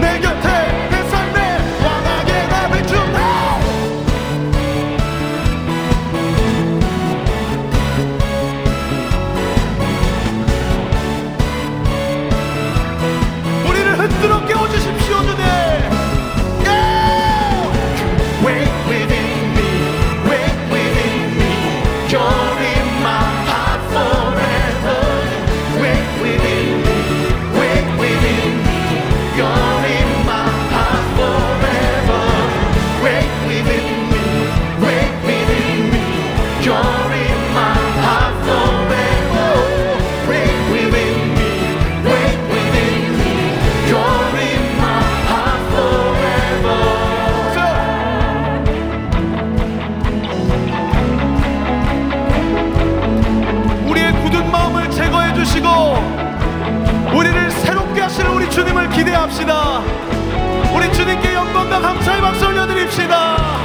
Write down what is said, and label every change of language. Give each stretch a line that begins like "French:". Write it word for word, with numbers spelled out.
Korean: 내 곁에 내 삶에 환하게 나 비추네. 우리를 흔들어 깨워주십시오 주님. 예!
English: Wake within me, wake within me. You're in my heart forever. Wake within me, wake within me. You're in my heart forever. Wake within me, wake within me. You're in my heart forever. Wake within me, wake within me. You're in my heart forever.
Korean: 우리의 굳은 마음을 제거해 주시고 우리를 새롭게 하시는 우리 주님을 기대합시다. 우리 주님께 영광과 감사의 박수 올려드립시다.